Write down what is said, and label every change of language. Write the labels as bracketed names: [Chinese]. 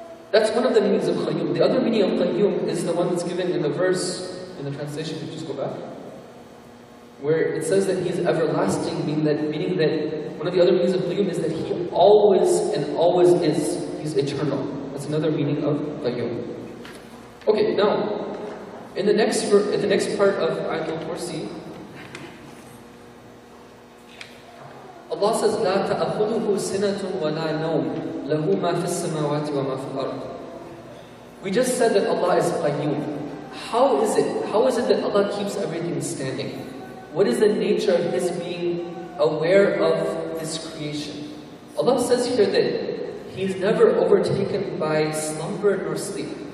[English] That's one of the meanings of Qayyum. The other meaning of Qayyum is the one that's given in the verse, in the translation, if you just go back, where it says that He is everlasting, meaning that one of the other meanings of Qayyum is that He always and always is. He's eternal. That's another meaning of Qayyum. Okay, now, in the next part of Ayat al-Kursi, Allah says, [Arabic] لَا تَأْخُذُهُ سِنَةٌ وَلَا نَوْمٌ لَهُ مَا فِي السَّمَاوَاتِ وَمَا فِي الْأَرْضِ. [English] We just said that Allah is Qayyum. How is it that Allah keeps everything standing? What is the nature of His being aware of this creation? Allah says here that He is never overtaken by slumber nor sleep.